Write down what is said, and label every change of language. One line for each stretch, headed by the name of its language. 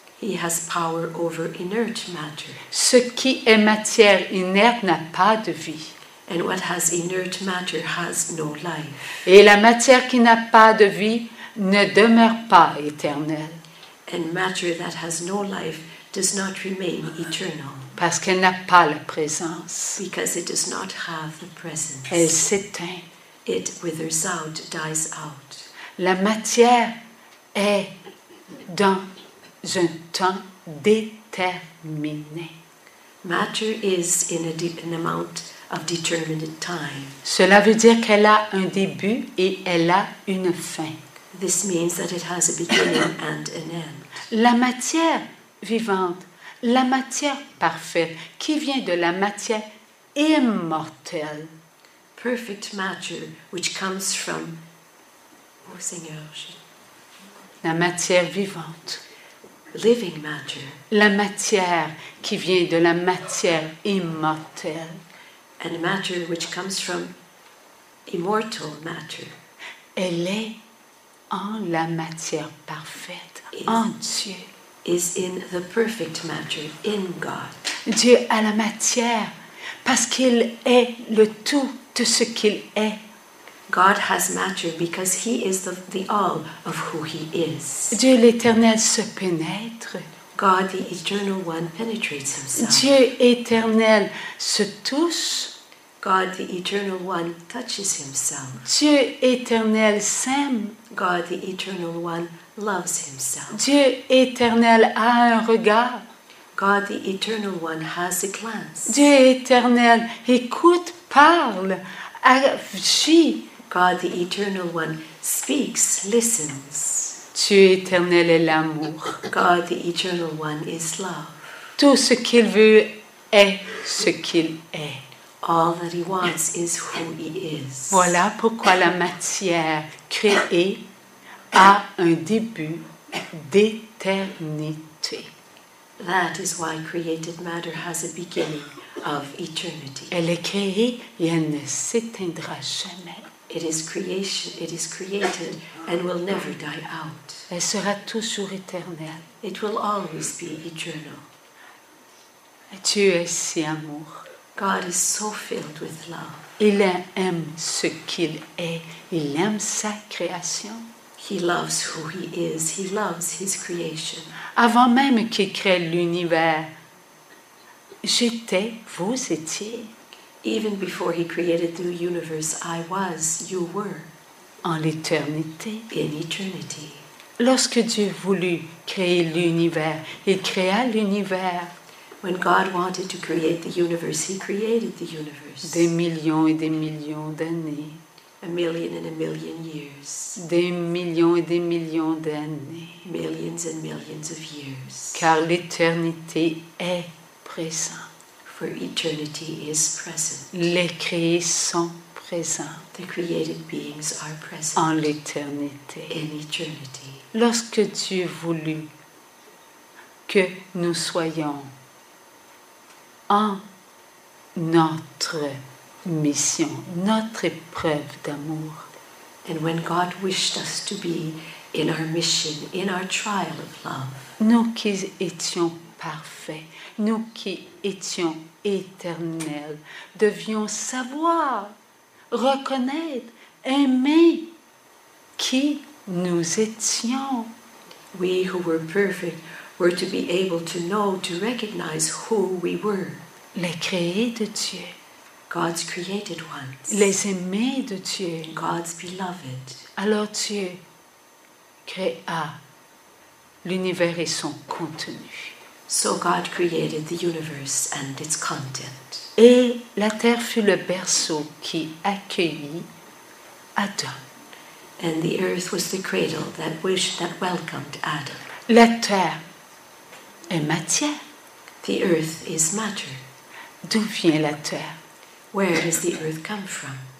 English: He has power over inert matter.
French: Ce qui est matière inerte n'a pas de vie.
English: And what has inert matter has no life.
French: Et la matière qui n'a pas de vie ne demeure pas éternelle.
English: And matter that has no life does not remain eternal.
French: Parce qu'elle n'a pas la présence.
English: Because it does not have the presence.
French: Elle s'éteint.
English: It withers out, dies out.
French: La matière est dans un temps déterminé.
English: Matter is in a an amount of determined time.
French: Cela veut dire qu'elle a un début et elle a une fin.
English: This means that it has a beginning and an end.
French: La matière vivante, la matière parfaite, qui vient de la matière immortelle.
English: Perfect matter, which comes from...
French: Oh, Seigneur, je... La matière vivante.
English: Living matter.
French: La matière qui vient de la matière immortelle.
English: And matter, which comes from immortal matter.
French: Elle est en la matière parfaite, en Dieu.
English: Is in the perfect matter, in God.
French: Dieu a la matière parce qu'il est le tout de ce qu'il est.
English: God has matter because he is the all of who he is.
French: Dieu l'éternel se pénètre.
English: God the eternal one penetrates himself.
French: Dieu éternel se touche.
English: God the eternal one touches himself.
French: Dieu éternel s'aime.
English: God the eternal one loves himself.
French: Dieu éternel a un regard.
English: God the eternal one has a glance.
French: Dieu éternel écoute, parle, agit.
English: God the eternal one speaks, listens.
French: Dieu éternel est l'amour.
English: God the eternal one is love.
French: Tout ce qu'il veut est ce qu'il est.
English: All that he wants is who he is.
French: Voilà pourquoi la matière créée a un début d'éternité.
English: That is why created matter has a beginning of eternity.
French: Elle est créée et elle ne s'éteindra jamais.
English: It is creation, it is created and will never die out.
French: Elle sera toujours éternelle.
English: It will always be eternal.
French: Dieu est si amour.
English: God is so filled with love.
French: Il aime ce qu'il est. Il aime sa création.
English: He loves who he is. He loves his creation.
French: Avant même qu'il crée l'univers, j'étais, vous étiez.
English: Even before he created the universe, I was, you were.
French: En l'éternité.
English: In eternity.
French: Lorsque Dieu voulut créer l'univers, il créa l'univers.
English: When God wanted to create the universe, he created the universe.
French: Des millions et des millions d'années.
English: A million and a million years.
French: Des millions et des millions d'années.
English: Millions and millions of years.
French: Car l'éternité est présent.
English: For eternity is present.
French: Les créés sont présents.
English: The created beings are present.
French: En l'éternité.
English: In eternity.
French: Lorsque Dieu voulut que nous soyons en notre mission, notre épreuve d'amour.
English: And when God wished us to be in our mission, in our trial of love.
French: Nous qui étions parfaits, nous qui étions éternels, devions savoir, reconnaître, aimer qui nous étions.
English: We who were perfect were to be able to know, to recognize who we were.
French: Les créés de Dieu.
English: God's created ones.
French: Les aimés de Dieu.
English: God's beloved.
French: Alors Dieu créa l'univers et son contenu.
English: So God created the universe and its content.
French: Et la terre fut le berceau qui accueillit Adam.
English: And the earth was the cradle that welcomed Adam.
French: La terre est matière.
English: The earth is matter.
French: D'où vient la terre?
English: Where does the earth come from?